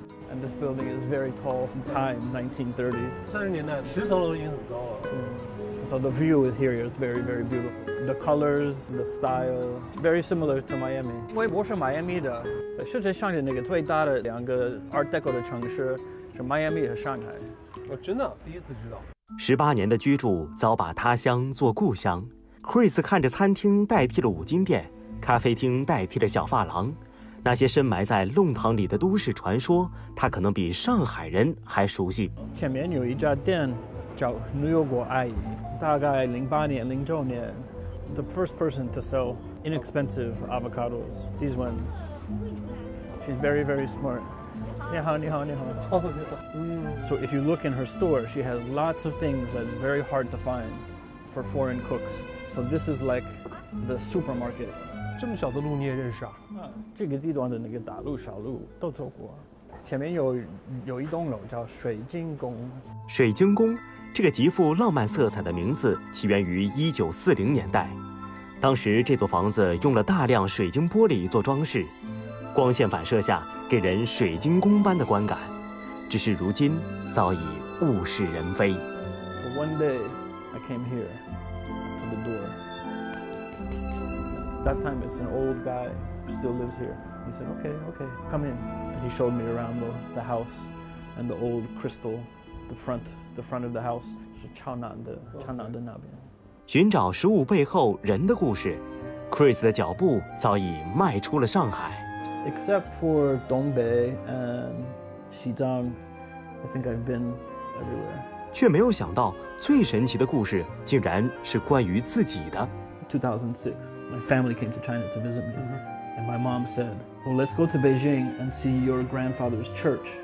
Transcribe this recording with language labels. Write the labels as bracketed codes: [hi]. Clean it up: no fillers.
[en] And this building is very tall from time, 1930s. [zh] 30年代，十层楼已经很高了。 [en] So the view is here is very, very beautiful. The colors, the style, very similar to Miami. [zh] 因为我是 Miami 的，在世界上的那个最大的两个 Art Deco 的城市是 Miami 和上海。我真的第一次知道。 18年的居住早把他乡做故乡。Chris 看着餐厅代替了五金店，咖啡厅代替了小发廊。那些深埋在弄堂里的都市传说，他可能比上海人还熟悉。前面有一家店叫牛油果阿姨，大概2008年、2009年 [en] ，the first person to sell inexpensive avocados. These ones. She's very, very smart. [zh] 你好，你好，你好。 [en] So if you look in her store, she has lots of things that's very hard to find for foreign cooks. So this is like the supermarket. [zh] 这么小的路你也认识啊？这个地段的那个大路小路都走过，前面有一栋楼叫水晶宫。水晶宫这个极富浪漫色彩的名字起源于1940年代，当时这座房子用了大量水晶玻璃做装饰，光线反射下给人水晶宫般的观感，只是如今早已物是人非。 [en] So one day I came here to the doorThat time, it's an old guy who still lives here. He said, okay, okay, come in. And he showed me around the house and the old crystal, the front of the house. [zh] 是昌南的那边。寻找食物背后人的故事， Chris 的脚步早已迈出了上海。 [en] Except for Dongbei and Xizang, I think I've been everywhere. [zh] 却没有想到最神奇的故事竟然是关于自己的。 [en] 2006, my family came to China to visit me, and my mom said, "Well, let's go to Beijing and see your grandfather's church."